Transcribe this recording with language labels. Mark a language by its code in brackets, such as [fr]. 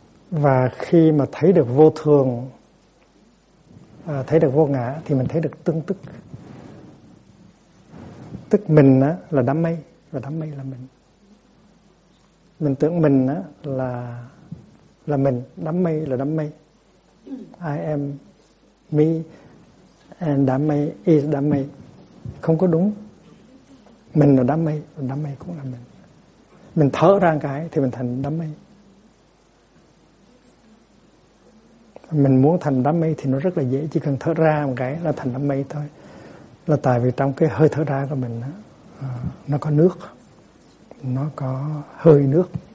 [vi] Và khi mà thấy được vô thường, thấy được vô ngã, thì mình thấy được tương tức. Tức mình là đám mây, và đám mây là mình. Mình tưởng mình là mình, đám mây là đám mây. [en] I am me, and [vi] đám mây [en] is đám mây. [vi] Không có đúng. Mình là đám mây, và đám mây cũng là mình. Mình thở ra cái thì mình thành đám mây. Mình muốn thành đám mây thì nó rất là dễ, chỉ cần thở ra một cái là thành đám mây thôi. Là tại vì trong cái hơi thở ra của mình đó, nó có nước, nó có hơi nước.